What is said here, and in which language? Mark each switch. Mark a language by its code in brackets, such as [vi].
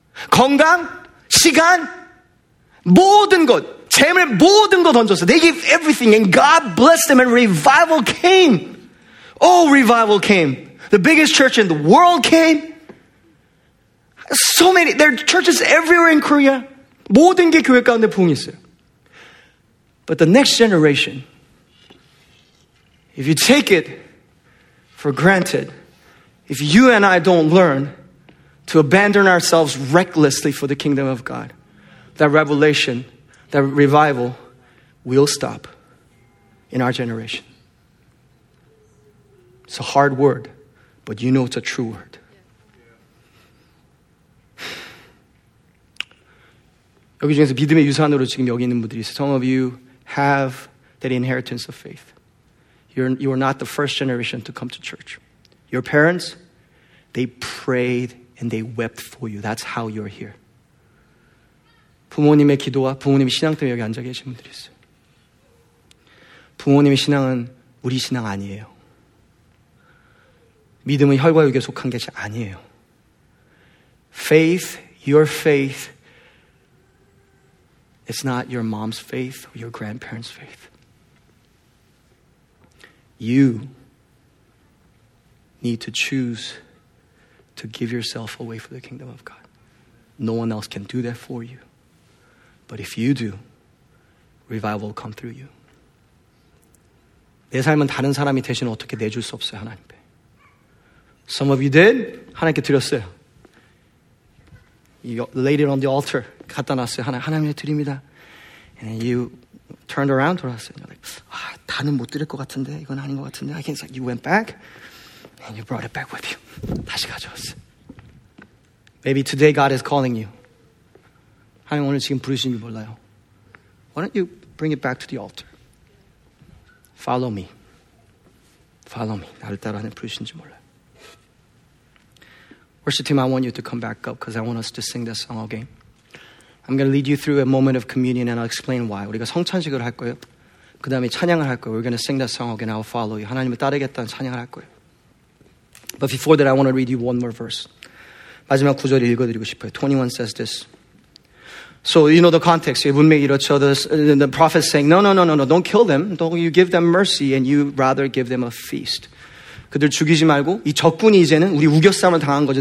[ko] 건강, 시간, 모든 것, 재물, 모든 거 던졌어요. [en] They gave everything and God blessed them and revival came. Oh, revival came. The biggest church in the world came. So many, there are churches everywhere in Korea. [ko] 모든 게 교회 가운데 부흥이 있어요. [en] But the next generation, if you take it for granted, if you and I don't learn to abandon ourselves recklessly for the kingdom of God, that revelation, that revival will stop in our generation. It's a hard word, but you know it's a true word. [ko] 여기 중에서 믿음의 유산으로 지금 여기 있는 분들이 있어요. [en] Some of you have that inheritance of faith. You are not the first generation to come to church. Your parents, they prayed and they wept for you. That's how you're here. [ko] 부모님의 기도와 부모님의 신앙 때문에 여기 앉아 계신 분들이 있어요. 부모님의 신앙은 우리 신앙 아니에요. 믿음은 혈과 육에 속한 것이 아니에요. [en] Faith, your faith, it's not your mom's faith or your grandparents' faith. You need to choose to give yourself away for the kingdom of God. No one else can do that for you. But if you do, revival will come through you. [ko] 내 삶은 다른 사람이 대신 어떻게 내줄 수 없어요, 하나님 앞에. [en] Some of you did, [ko] 하나님께 드렸어요. [en] You laid it on the altar, [ko] 갖다 놨어요. 하나님께 드립니다. [en] And you turned around to us and you're like, [ko] 아, 다는 못 드릴 것 같은데, 이건 아닌 것 같은데. [en] I can't. You went back and you brought it back with you. [ko] 다시 가져왔어. [en] Maybe today God is calling you. [ko] 하나님 오늘 지금 부르시는지 몰라요. [en] Why don't you bring it back to the altar? Follow me. Follow me. [ko] 나를 따라 하나님 부르시는지 몰라요. [en] Worship team, I want you to come back up because I want us to sing this song again. I'm going to lead you through a moment of communion and I'll explain why. [ko] 우리가 성찬식을 할 거예요. 그 다음에 찬양을 할 거예요. [en] We're going to sing that song again. I'll follow you. [ko] 하나님을 따르겠다는 찬양을 할 거예요. [en] But before that, I want to read you one more verse. [ko] 마지막 구절을 읽어드리고 싶어요. [en] 21 says this. So you know the context. [ko] 문맥이 이렇죠. [en] The prophet saying, no, don't kill them. Don't you give them mercy and you rather give them a feast. [ko] 그들 죽이지 말고 이 적군이 이제는 우리 우겨싸움을 당한 거죠.